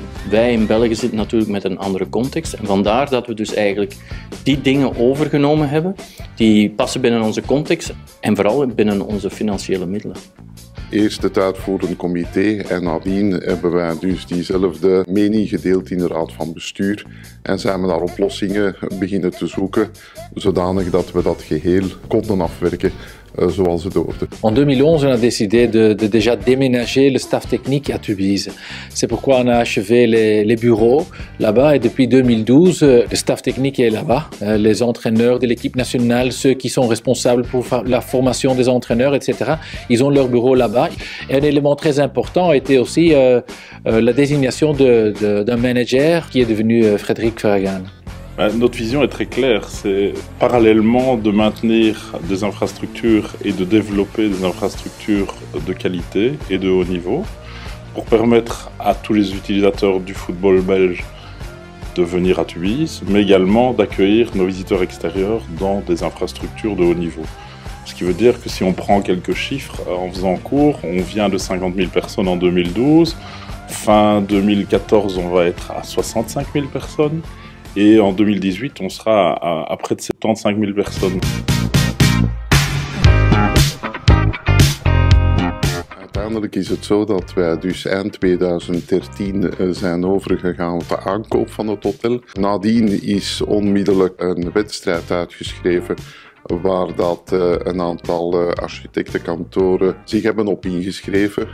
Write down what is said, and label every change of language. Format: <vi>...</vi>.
<nl>Wij in België zitten natuurlijk met een andere context. En vandaar dat we dus eigenlijk die dingen overgenomen hebben, die passen binnen onze context en vooral binnen onze financiële middelen. Eerst het uitvoerend comité en nadien hebben wij dus diezelfde mening gedeeld in de Raad van Bestuur en zijn we daar oplossingen beginnen te zoeken, zodanig dat we dat geheel konden afwerken zoals het hoorde. In 2011 hebben we</nl> <fr>décidé de déjà déménager le staff technique à Tubize. C'est pourquoi on a achevé les bureaux là-bas et depuis 2012 le staff technique est là-bas, les entraîneurs de l'équipe nationale, ceux qui sont responsables pour la formation des entraîneurs etc. Ils ont leur bureau là-bas. Et un élément très important a été aussi la désignation d'un manager qui est devenu Frédéric Ferragane. Notre vision est très claire, c'est parallèlement de maintenir des infrastructures et de développer des infrastructures de qualité et de haut niveau pour permettre à tous les utilisateurs du football belge de venir à Tubize, mais également d'accueillir nos visiteurs extérieurs dans des infrastructures de haut niveau. Ce qui veut dire que si on prend quelques chiffres en faisant court, on vient de 50 000 personnes en 2012, fin 2014 on va être à 65 000 personnes, et en 2018, on sera à près de 75 000 personnes.</fr> <nl>Uiteindelijk is het zo dat wij dus eind 2013 zijn overgegaan op de aankoop van het hotel. Nadien is onmiddellijk een wedstrijd uitgeschreven waar dat een aantal architectenkantoren zich hebben op ingeschreven.</nl>